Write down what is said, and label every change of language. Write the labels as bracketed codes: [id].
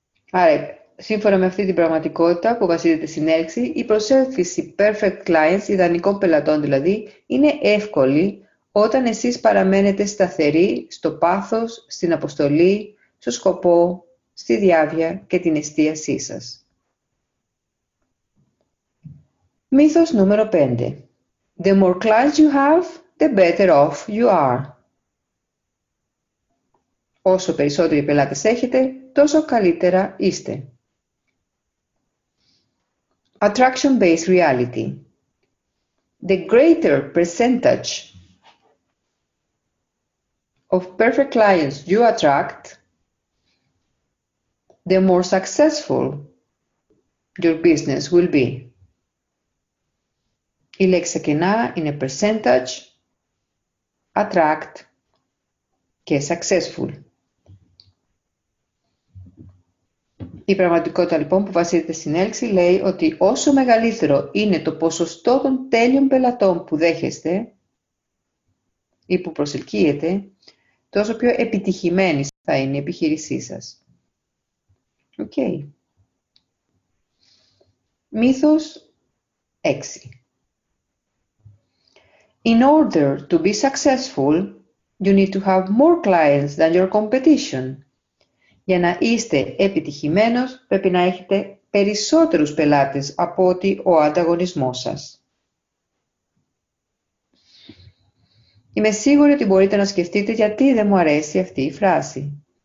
[el] Άρα, σύμφωνα με αυτή την πραγματικότητα που βασίζεται στην έλξη, η προσέλκυση [en] perfect clients, [el] ιδανικών πελατών δηλαδή, είναι εύκολη όταν εσείς παραμένετε σταθεροί στο πάθος, στην αποστολή, στο σκοπό, στη διάβια και την εστίασή σας. Μύθος νούμερο 5. [en] The more clients you have, the better off you are. [el] Όσο περισσότεροι πελάτες έχετε, τόσο καλύτερα είστε. [en] Attraction-based reality. The greater percentage of perfect clients you attract, the more successful your business will be. [el] Η λέξη κενά είναι percentage, attract και successful. Η πραγματικότητα λοιπόν που βασίζεται στην έλξη λέει ότι όσο μεγαλύτερο είναι το ποσοστό των τέλειων πελατών που δέχεστε ή που προσελκύετε, τόσο πιο επιτυχημένη θα είναι η επιχείρησή σας. [en] Okay. [el] Μύθος 6. [en] In order to be successful, you need to have more clients than your competition. [el] Για να είστε επιτυχημένος, πρέπει να έχετε περισσότερους πελάτες από ότι ο ανταγωνισμός σας. Είμαι σίγουρη ότι μπορείτε να σκεφτείτε γιατί δεν μου αρέσει αυτή η φράση.